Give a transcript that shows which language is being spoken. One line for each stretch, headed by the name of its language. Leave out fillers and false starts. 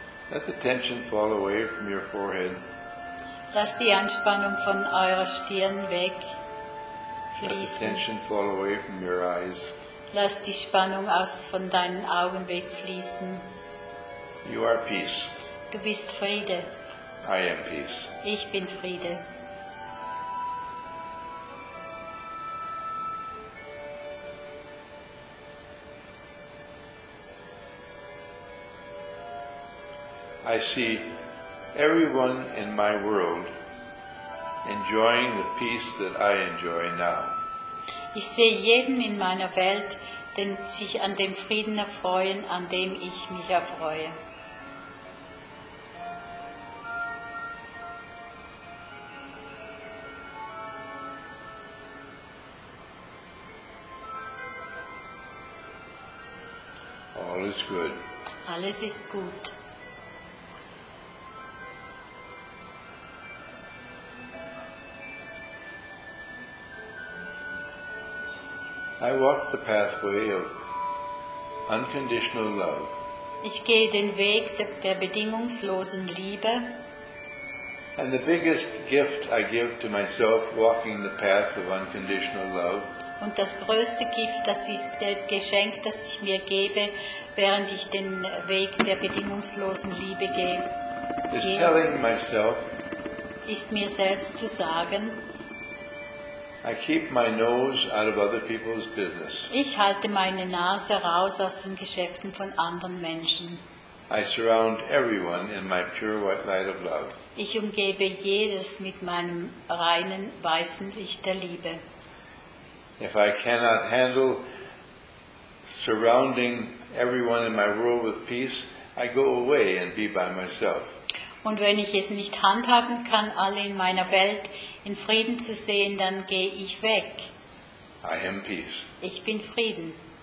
English: Let the tension fall away from your forehead.
German: Lass die Anspannung von eurer Stirn weg.
English: Let the tension fall away from your eyes.
German: Lass die Spannung aus von deinen Augen wegfließen.
English: You are peace.
German: Du bist Friede.
English: I am peace.
German: Ich bin Friede.
English: I see everyone in my world enjoying the peace that I enjoy now.
German: Ich sehe jeden in meiner Welt, den sich an dem Frieden erfreuen, an dem ich mich erfreue.
English: All is good.
German: Alles ist gut.
English: I walk the pathway of unconditional love.
German: Ich gehe den Weg der bedingungslosen Liebe.
English: And the biggest gift I give to myself walking the path of unconditional love.
German: Und das größte Gift, das ist das Geschenk, das ich mir gebe, während ich den Weg der bedingungslosen Liebe gehe.
English: Is telling myself.
German: Ist mir selbst zu sagen.
English: I keep my nose out of other people's business.
German: Ich halte meine Nase raus aus den Geschäften von anderen Menschen.
English: I surround everyone in my pure white light of love.
German: Ich umgebe jedes mit meinem reinen weißen Licht der Liebe.
English: If I cannot handle surrounding everyone in my world with peace, I go away and be by myself.
German: Und wenn ich es nicht handhaben kann, alle in meiner Welt in Frieden zu sehen, dann gehe ich weg.
English: I am peace.
German: Ich bin Frieden.